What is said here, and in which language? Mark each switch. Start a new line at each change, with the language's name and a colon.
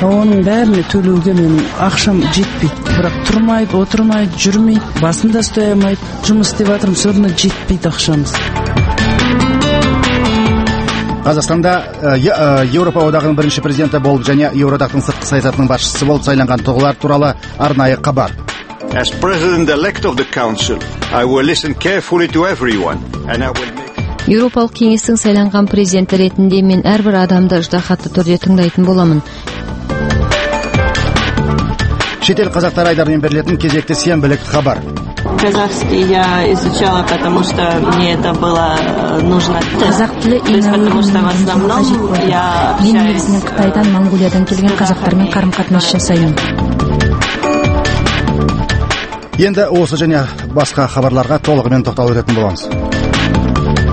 Kazakh: Оның бәріне төлеуге менің ақшам жетпейді. Бірақ тұрмайды, отырмайды, жүрмейді, басында ұстай алмайды. Жұмыс істеп жатырмын, соны жетпейді ақшамыз. Қазақстанда Еуропа одағының бірінші президенті болып және Еуроодақтың сыртқы саясатының басшысы болып сайланған тұлғалар туралы арнайы хабар.
English: As president-elect of the council, I will listen carefully to everyone and I will make...
Kazakh: Еуропалық кеңестің сайланған президенті ретінде мен әрбір адамды ыждахатты түрде тыңдайтын боламын. Шетел қазақтар айдарымен берілетін кезекті сенбілік хабар.
Russian: Казахский я изучала, потому что мне это было нужно.
Kazakh: Казах тілі ең мен қажет болды. Мен негізінен Қытайдан, Монголиядан келген қазақтармен қарым-қатынас жасаймын. Енді осы және басқа хабарларға толығымен тоқталып өтетін боламыз.